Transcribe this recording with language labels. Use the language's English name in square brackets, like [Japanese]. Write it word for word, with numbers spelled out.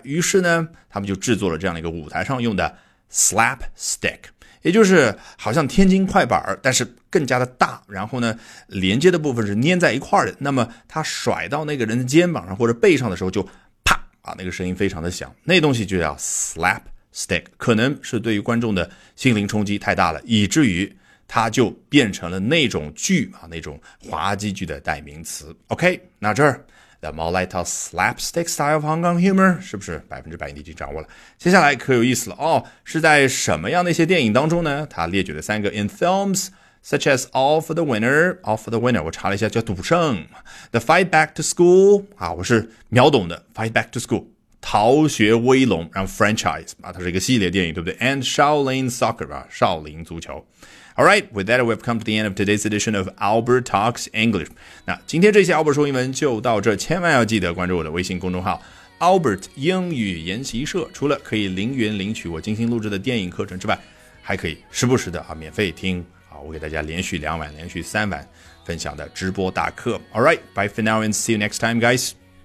[Chinese] 于是呢他们就制作了这样的一个舞台上用的slapstick， 也就是好像天津快板，但是更加的大，然后呢连接的部分是粘在一块的，那么他甩到那个人的肩膀上或者背上的时候就啪啊，那个声音非常的响，那东西就叫 slapstick。可能是对于观众的心灵冲击太大了，以至于它就变成了那种剧啊，那种滑稽剧的代名词。 OK， 那这儿 [English] The Mo Lighthouse slapstick style of Hong Kong humor [Chinese] 是不是 百分之百 你已经掌握了？接下来可有意思了哦，是在什么样的一些电影当中呢？他列举了三个 in films such as All for the Winner All for the Winner 我查了一下叫赌圣， The Fight Back to School 啊，我是秒懂的 Fight Back to School 逃学威龙，然后 franchise 啊，它是一个系列电影，对不对？ [English] And Shaolin Soccer 啊，少林足球。 Alright, with that, we've come to the end of today's edition of Albert Talks English. [Chinese] 那今天这期 Albert 说英文就到这，千万要记得关注我的微信公众号 Albert 英语研习社。除了可以零元领取我精心录制的电影课程之外，还可以时不时的啊免费听啊我给大家连续两晚、连续三晚分享的直播大课。 [English] Alright, bye for now and see you next time, guys.